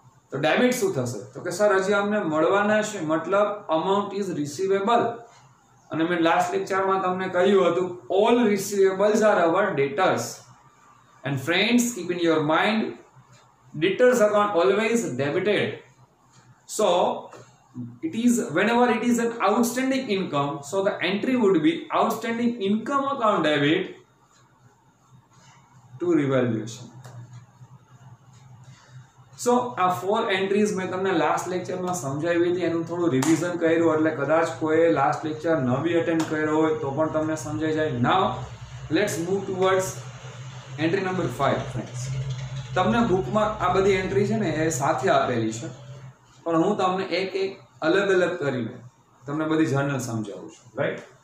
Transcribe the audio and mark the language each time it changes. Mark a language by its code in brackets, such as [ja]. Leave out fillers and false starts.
[gu] તો ડેબિટ શું થશે? તો કે સર હજી અમને મળવાના છે, મતલબ [en] Amount is receivable. [gu] અને મેં લાસ્ટ લેક્ચરમાં તમને કહ્યું હતું [en] All receivables are our debtors. And friends, keep in your mind, debtors account always debited. So, it is, whenever it is an outstanding income, so the entry would be outstanding income account debit to revaluation. [gu] So, આ four entries મેં તમને last લેક્ચરમાં સમજાવી હતી, એનું થોડું revision કર્યું, એટલે કદાચ કોઈ લાસ્ટ લેક્ચર ન બી અટેન્ડ કર્યો હોય તો પણ તમને સમજાઈ જાય. [en] Now let's move towards entry number 5. [gu] Friends, તમને બુકમાં આ બધી એન્ટ્રી છે ને એ સાથે આપેલી છે, પણ હું તમને એક એક અલગ અલગ કરીને તમને બધી જર્નલ સમજાવું છું, રાઈટ?